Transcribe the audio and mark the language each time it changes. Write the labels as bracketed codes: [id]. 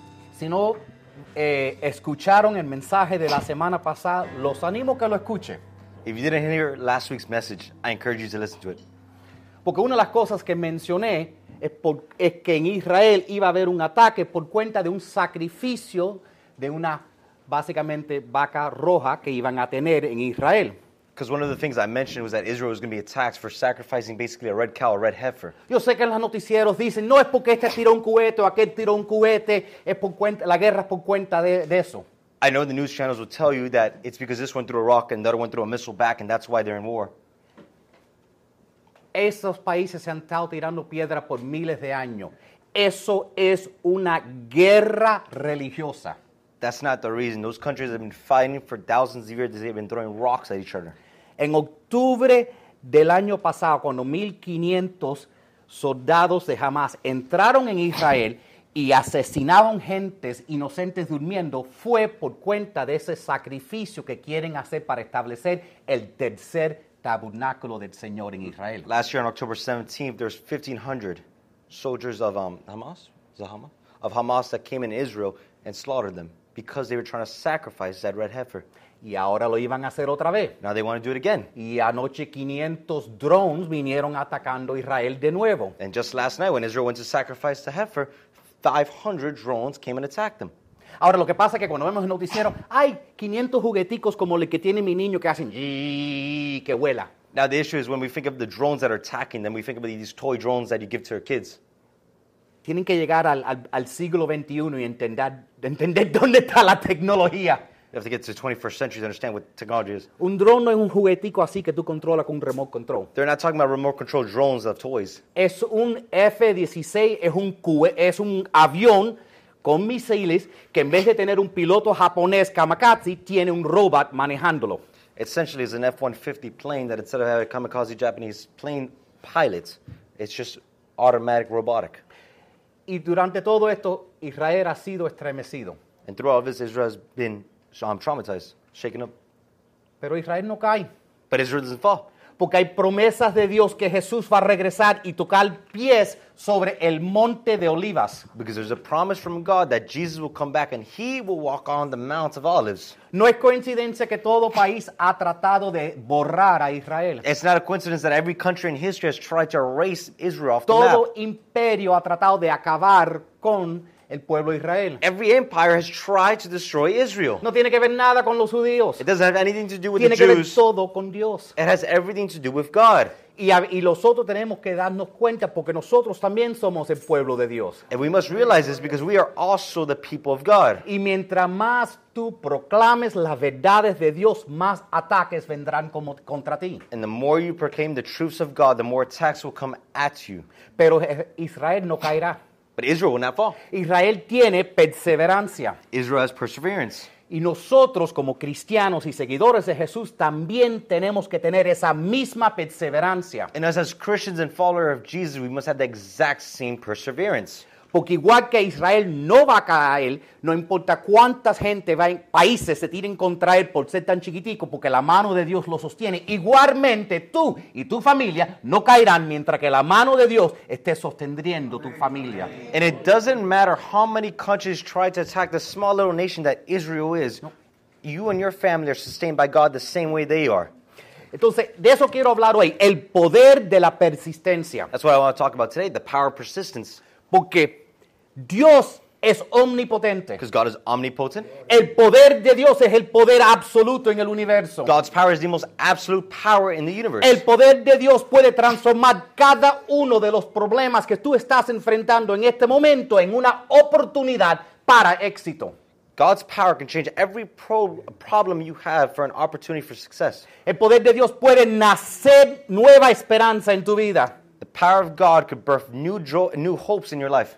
[es] Si no escucharon el mensaje de la semana pasada, los animo que lo escuchen. [en] If you didn't hear last week's message, I encourage you to listen to it. [es] Porque una de las cosas que mencioné es que en Israel iba a haber un ataque por cuenta de un sacrificio de una básicamente vaca roja que iban a tener en Israel. [en] Because one of the things I mentioned was that Israel was going to be attacked for sacrificing basically a red cow, a red heifer. [es] Yo sé que en los noticieros dicen, no es porque este tiró un cohete o aquel tiró un cohete, es por cuenta, la guerra es por cuenta de eso. [en] I know the news channels will tell you that it's because this went through a rock and that one went through a missile back and that's why they're in war. [es] Esos países se han estado tirando piedra por miles de años. Eso es una guerra religiosa. [en] That's not the reason. Those countries have been fighting for thousands of years. They've been throwing rocks at each other. [es] En octubre del año pasado, cuando 1,500 soldados de Hamas entraron en Israel y asesinaron gentes inocentes durmiendo, fue por cuenta de ese sacrificio que quieren hacer para establecer el tercer tabernáculo del Señor en Israel. [en] Last year, on October 17th, there's 1,500 soldiers of Hamas? Is it Hamas? Of Hamas that came in Israel and slaughtered them. Because they were trying to sacrifice that red heifer. [es] Y ahora lo iban a hacer otra vez. [en] Now they want to do it again. [es] Y anoche 500 drones vinieron atacando Israel de nuevo. [en] And just last night when Israel went to sacrifice the heifer, 500 drones came and attacked them. [es] Ahora lo que pasa es que cuando vemos el noticiero, hay 500 jugueticos como el que tiene mi niño que hacen, que vuela. [en] Now the issue is when we think of the drones that are attacking them, we think of these toy drones that you give to your kids. [es] Tienen que llegar al siglo 21 y entender dónde está la tecnología. [en] You have to get to the 21st century to understand what technology is. [es] Un dron no es un juguetico así que tú controlas con un remote control. [en] They're not talking about remote control drones of toys. [es] Es un F-16, es un avión con misiles que en vez de tener un piloto japonés kamikaze, tiene un robot manejándolo. [en] Essentially, it's an F-150 plane that instead of having a kamikaze Japanese plane pilot, it's just automatic robotic. [es] Y durante todo esto, Israel ha sido estremecido. [en] And through all this, Israel has been traumatized, shaken up. [es] Pero Israel no cae. [en] But Israel doesn't fall. [es] Porque hay promesas de Dios que Jesús va a regresar y tocar pies sobre el Monte de Olivas. [en] Because there's a promise from God that Jesus will come back and he will walk on the Mount of Olives. [es] No es coincidencia que todo país ha tratado de borrar a Israel. [en] It's not a coincidence that every country in history has tried to erase Israel off [es] todo [en] the map. [es] Todo imperio ha tratado de acabar con el pueblo de Israel. [en] Every empire has tried to destroy Israel. [es] No tiene que ver nada con los judíos. [en] It doesn't have anything to do with [es] tiene [en] the Jews. [es] Tiene que ver todo con Dios. [en] It has everything to do with God. [es] Y nosotros tenemos que darnos cuenta porque nosotros también somos el pueblo de Dios. [en] And we must realize this because we are also the people of God. [es] Y mientras más tú proclames las verdades de Dios, más ataques vendrán contra ti. [en] And the more you proclaim the truths of God, the more attacks will come at you. [es] Pero Israel no caerá. [en] But Israel will not fall. [es] Israel tiene perseverancia. [en] Israel has perseverance. [es] Y nosotros como cristianos y seguidores de Jesús también tenemos que tener esa misma perseverancia. [en] And as Christians and followers of Jesus, we must have the exact same perseverance. [es] Porque igual que Israel no va a caer, no importa cuántas gente va en países se tiren contra él por ser tan chiquitico, porque la mano de Dios lo sostiene. Igualmente tú y tu familia no caerán mientras que la mano de Dios esté sosteniendo tu familia. [en] And it doesn't matter how many countries try to attack the small little nation that Israel is. No. You and your family are sustained by God the same way they are. [es] Entonces, de eso quiero hablar hoy, el poder de la persistencia. [en] That's what I want to talk about today, the power of persistence. [es] Porque Dios es omnipotente. [en] Because God is omnipotent. [es] El poder de Dios es el poder absoluto en el universo. [en] God's power is the most absolute power in the universe. [es] El poder de Dios puede transformar cada uno de los problemas que tú estás enfrentando en este momento en una oportunidad para éxito. [en] God's power can change every problem you have for an opportunity for success. [es] El poder de Dios puede nacer nueva esperanza en tu vida. [en] The power of God could birth new hopes in your life.